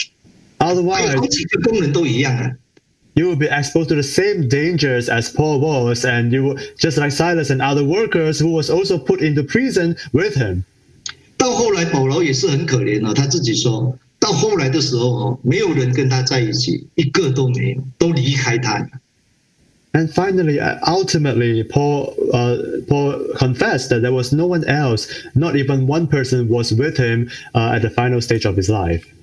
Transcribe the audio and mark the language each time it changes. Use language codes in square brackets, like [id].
[zh] 你跟他，你自己也有灾难啊，所以那些跟他的人也一同坐牢的呀。好像希拉不是跟他在一起一起坐牢啊？ [en] Otherwise， [zh] 好几个工人都一样啊。 [en] You will be exposed to the same dangers as Paul was, and you will, just like Silas and other workers who was also put into prison with him. [zh] 到后来保罗也是很可怜，他自己说，到后来的时候，没有人跟他在一起，一个都没有，都离开他。 [en] And finally, ultimately, Paul confessed that there was no one else, not even one person was with him at the final stage of his life.